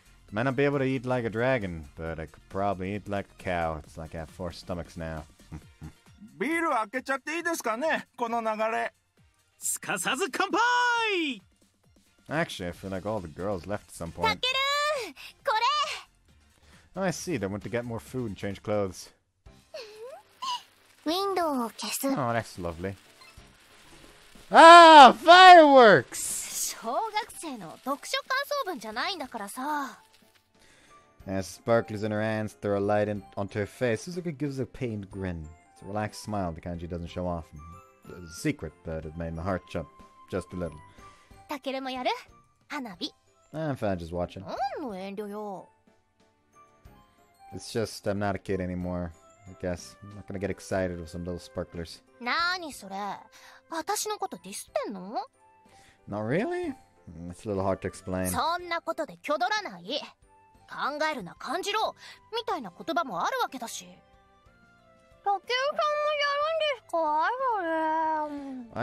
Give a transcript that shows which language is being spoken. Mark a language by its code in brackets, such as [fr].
[en] Might not be able to eat like a dragon, but I could probably eat like a cow. It's like I have four stomachs now. [ja] ビール開けちゃっていいですかね、この流れ。すかさず乾杯。 [en] Actually, I feel like all the girls left at some point. [ja] タケル、これ。 [en] Oh, I see. They went to get more food and change clothes. [ja] ウィンドウを消す。 [en] Oh, that's lovely. Ah, fireworks! [ja] 小学生の読書感想文じゃないんだからさ。 [en] As sparkles in her hands throw a light in, onto her face, Suzuki gives a pained grin. It's a relaxed smile, the kind she doesn't show off. It's a secret, but it made my heart jump just a little. [ja] タケルもやる？花火。 [en] I'm fine, just watching. [ja] 何の遠慮よ。 [en] It's just, I'm not a kid anymore, I guess. I'm not gonna get excited with some little sparklers. [ja] 何それ？私のことディスってんの？ [en] Not really? It's a little hard to explain. [ja] そんなことで挙動らない、考えるな感じろみたいな言葉もあるわけだし。タケルさんもやるんですか？